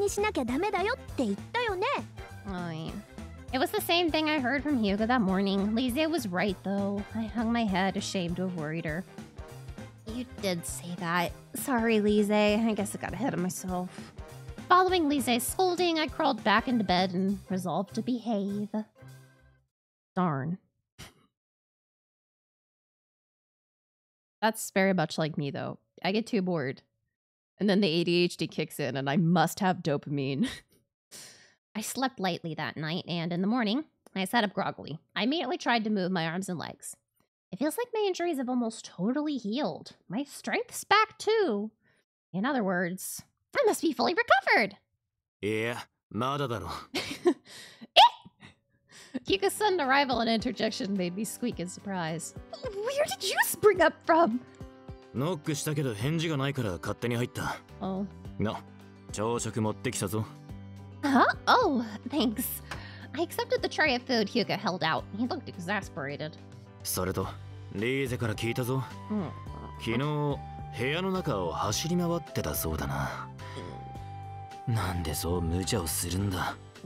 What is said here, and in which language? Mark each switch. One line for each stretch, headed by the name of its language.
Japanese: 今朝も体調が良くなったと思って、立とうとしたら転んだんだよね。それを忘れちゃったのかな?今日は一日安静にしなきゃダメだよって言ったよね。
English: It was the same thing I heard from Hyuga that morning. Lise was right, though. I hung my head, ashamed to have worried her. You did say that. Sorry, Lise. I guess I got ahead of myself. Following Lise's scolding, I crawled back into bed and resolved to behave. Darn. That's very much like me, though. I get too bored. And then the ADHD kicks in and I must have dopamine. I slept lightly that night, and in the morning, I sat up groggily. I immediately tried to move my arms and legs. It feels like my injuries have almost totally healed. My strength's back, too. In other words, I must be fully recovered! Yeah,
Japanese: まだだろ. Eh!
English: Kika's sudden arrival and interjection made me squeak in surprise. Where did you spring up from?
Japanese: ノックしたけど返事がないから勝手に入った.
English: Oh.
Japanese: な、朝食持ってきたぞ.
English: Huh? Oh, thanks. I accepted the tray of food Hyuga held out. He looked exasperated.
Japanese: それと、リーゼから聞いたぞ。昨日、部屋の中を走り回ってたそうだな。なんでそう無茶をするんだ?